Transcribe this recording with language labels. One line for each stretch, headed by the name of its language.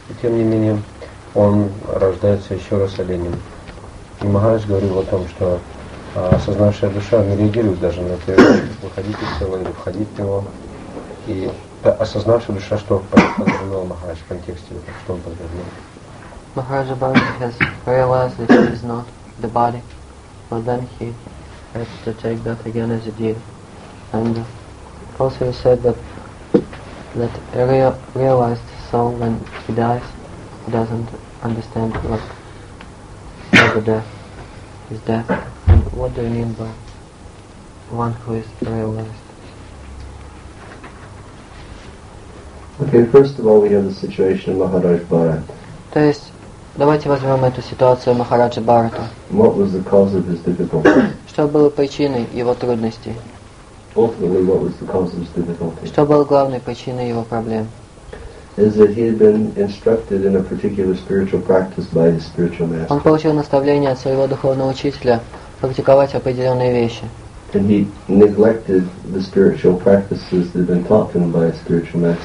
Russian: И тем не менее, он рождается еще раз оленем. И Махарадж говорил о том, что осознавшая душа не реагирует даже на это, выходить из тела или входить в него. И осознавшая душа, что подвернул Махарадж в контексте, что он подвернул.
English: Махараджа Бхагавати has realized that he is not the body, but then he has to take that again as a deal. And also he said that he realized so when he dies, he doesn't understand what the death is death. What do you mean by one who is realized? Okay, first of all, we have the situation of Maharaj Bharat.
Russian: То есть, Давайте возьмем эту ситуацию Махараджи Бхарата.
English: What was the cause of his difficulty?
Russian: Что было причиной его трудностей?
English: Ultimately, what was the cause of his difficulty?
Russian: Что было главной причиной его проблем?
English: Is that he had been instructed in a particular spiritual practice by his spiritual master.
Russian: Он получил наставление от своего духовного учителя практиковать определенные вещи.
English: And he neglected the spiritual practices that had been taught him by his spiritual master.